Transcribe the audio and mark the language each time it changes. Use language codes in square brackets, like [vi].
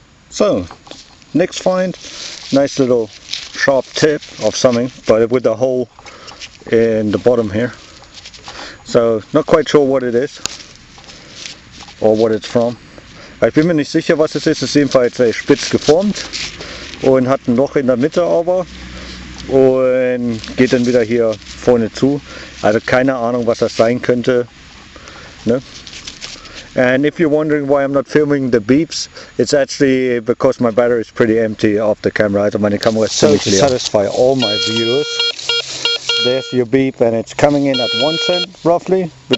[en] So, next find, nice little sharp tip of something, but with a hole in the bottom here. So, not quite sure what it is or what it's from. [de] Ich bin mir nicht sicher, was es ist. Es ist jedenfalls sehr spitz geformt und hat ein Loch in der Mitte aber und geht dann wieder hier vorne zu. Also keine Ahnung, was das sein könnte. Ne? [en] And if you're wondering why I'm not filming the beeps, it's actually because my battery is pretty empty off the camera. So my camera is so to satisfy all my viewers. There's your beep, and it's coming in at 1 cent, roughly.